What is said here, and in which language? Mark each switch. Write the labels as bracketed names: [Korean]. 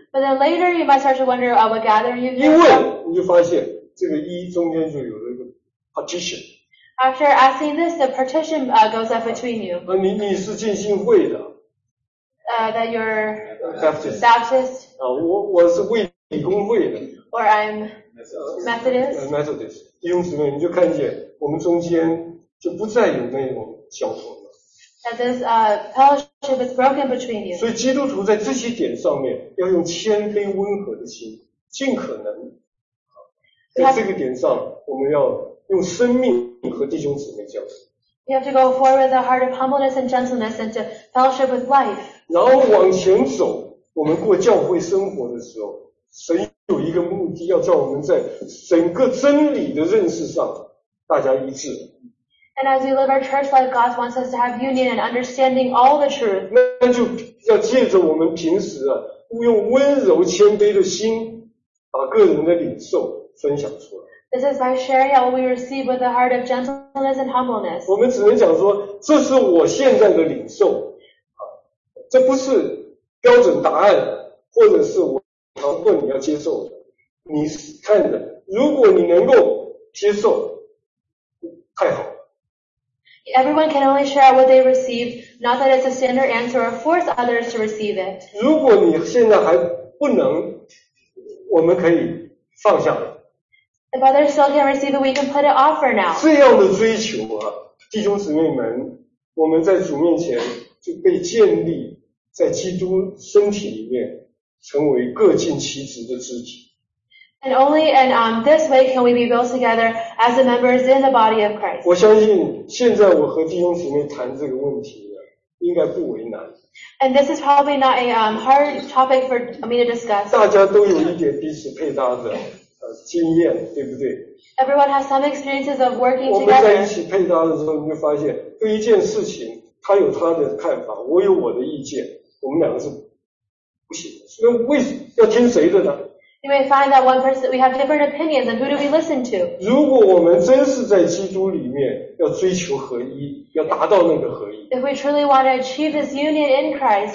[English] But then later you might start to wonder what gathering you. [Chinese] 因为你就发现这个一中间就有了一个 partition. [English] After asking this, the partition goes up between you. [Chinese] 你是浸信会的。 [English] That you're Baptist. Baptist. [Chinese] 我是卫理公会的。 [English] Or I'm Methodist. Methodist. [Chinese] 弟兄姊妹，你就看见我们中间就不再有那种交通。 [English] That this fellowship is broken between you. [Chinese] 所以基督徒在这些点上面要用谦卑温和的心，尽可能在这个点上，我们要用生命和弟兄姊妹交通。 [English] You have to go forward with a heart of humbleness and gentleness and to fellowship with life. [Chinese] 然后往前走，我们过教会生活的时候，神有一个目的，要叫我们在整个真理的认识上大家一致。 [English] And as we live our church life, God wants us to have union and understanding all the truth. [Chinese] 那就要借着我们平时啊，用温柔谦卑的心，把个人的领受分享出来。 [English] This is by sharing what we receive with a heart of gentleness and humbleness. [Chinese] 我们只能讲说，这是我现在的领受，这不是标准答案，或者是我强迫你要接受的。你看着，如果你能够接受，太好。 [English] Everyone can only share what they receive, not that it's a standard answer or force others to receive it. [Chinese] 如果你现在还不能，我们可以放下。 [English] If others still can't receive it, we can put it off for now. [Chinese] 这样的追求啊，弟兄姊妹们，我们在主面前就被建立在基督身体里面，成为各尽其职的肢体。 [English] And only in this way can we be built together as the members in the body of Christ. [Chinese] 我相信现在我和弟兄姊妹谈这个问题呢，应该不为难。 [English] And this is probably not a hard topic for me to discuss. [Chinese] 大家都有一点彼此配搭的经验，对不对？ [English] Everyone has some experiences of working together. [Chinese] 我们在一起配搭的时候，你会发现对一件事情，他有他的看法，我有我的意见，我们两个是不行的。那为什么要听谁的呢？ [English] You may find that one person, we have different opinions, and who do we listen to? [Chinese] 如果我们真是在基督里面要追求合一，要达到那个合一。 [English] If we truly want to achieve this union in Christ.